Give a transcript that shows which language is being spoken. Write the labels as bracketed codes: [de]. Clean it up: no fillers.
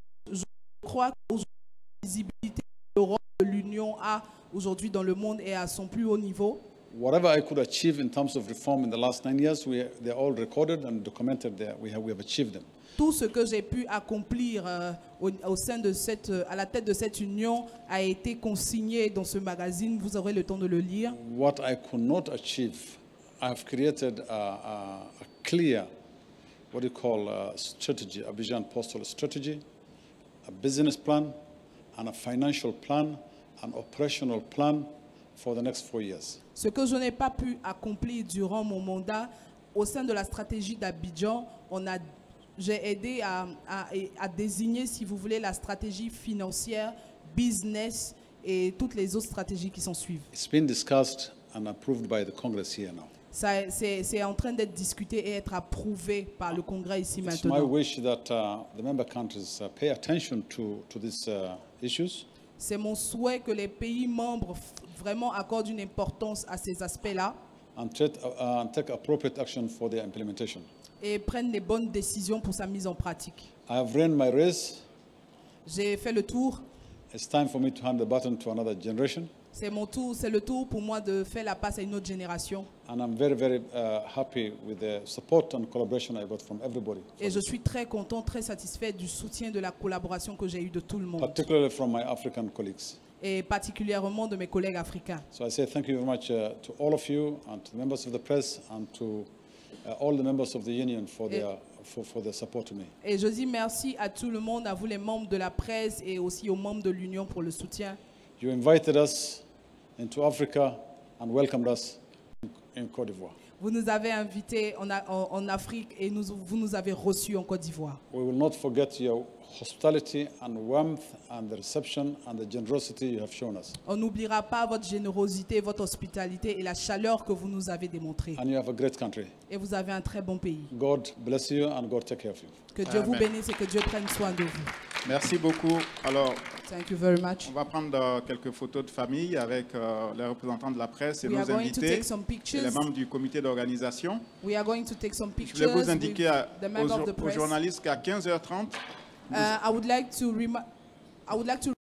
[fr] Je crois qu'aujourd'hui la visibilité que l'Europe de l'Union a aujourd'hui dans le monde est à son plus haut niveau. [en] Whatever I could achieve in terms of reform in the last 9 years, they're all recorded and documented there. We have achieved them. [fr] Tout ce que j'ai pu accomplir au sein de cette, à la tête de cette union, a été consigné dans ce magazine. Vous aurez le temps de le lire. [en] What I could not achieve, I have created a clear, what do you call, a strategy, a vision postal strategy, a business plan, and a financial plan, an operational plan for the next 4 years. [fr] Ce que je n'ai pas pu accomplir durant mon mandat au sein de la stratégie d'Abidjan, j'ai aidé à désigner, si vous voulez, la stratégie financière, business et toutes les autres stratégies qui s'en suivent. [en] It's been discussed and approved by the Congress here now. [fr] Ça, c'est en train d'être discuté et être approuvé par le Congrès ici [en] It's [fr] maintenant. [en] My wish that, the member countries pay attention to this, issues. [fr] C'est mon souhait que les pays membres vraiment accordent une importance à ces aspects-là. [en] And take appropriate action for their implementation. [fr] Et prennent les bonnes décisions pour sa mise en pratique. [en] I have run my race. [fr] J'ai fait le tour. [en] It's time for me to hand the baton to another generation. [fr] C'est mon tour, c'est le tour pour moi de faire la passe à une autre génération. [en] And I'm very, very happy with the support and collaboration I got from everybody. [fr] Et je suis très content, très satisfait du soutien, de la collaboration que j'ai eu de tout le monde. [en] Particularly from my African colleagues. [fr] Et particulièrement de mes collègues africains. [en] So I say thank you very much to all of you and to the members of the press and to all the members of the union for their for their support to me. [fr] Et je dis merci à tout le monde, à vous les membres de la presse et aussi aux membres de l'union pour le soutien. [en] You invited us into Africa and welcomed us in Côte d'Ivoire. [fr] Vous nous avez invités en Afrique et vous nous avez reçus en Côte d'Ivoire. [en] We will not forget your hospitality and warmth and the reception and the generosity you have shown us. [fr] On n'oubliera pas votre générosité, votre hospitalité et la chaleur que vous nous avez démontrée. [en] And you have a great country. [fr] Et vous avez un très bon pays. [en] God bless you and God take care of you. [fr] Que Dieu Amen. Vous bénisse et que Dieu prenne soin de vous. Merci beaucoup. Alors, [en] thank you very much. [fr] On va prendre quelques photos de famille avec les représentants de la presse et [en] we [fr] nos invités [en] some pictures. [fr] Et les membres du comité d'organisation. [en] We are going to take some pictures. [fr] Je voulais vous indiquer aux journalistes qu'à 15h30, [en] I would like to remind. I would like to